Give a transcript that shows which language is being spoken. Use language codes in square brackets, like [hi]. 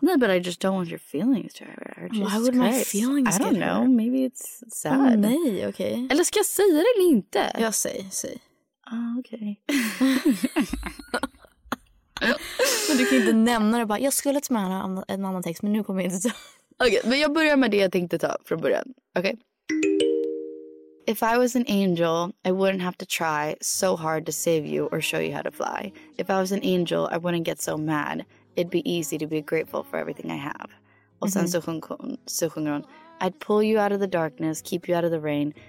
[en] No, but I just don't want your feelings to hurt. Why would my feelings get hurt? I don't know, maybe it's sad. [sv] Oh, nej, okej. [en] Okay. [sv] Eller ska jag säga det eller inte? Jag säger. Ah, okej. [en] Okay. [sv] Du kan inte nämna det bara. Jag skulle ta med en annan text, men nu kommer jag inte ta. Okej, men jag börjar med det jag tänkte ta från början. Okej. [en] If I was an angel, I wouldn't have to try so hard to save you or show you how to fly. If I was an angel, I wouldn't get so mad. It'd be easy to be grateful for everything I have. [sv] Och sen så sjunger hon. [en] I'd pull you out of the darkness, keep you out of the rain.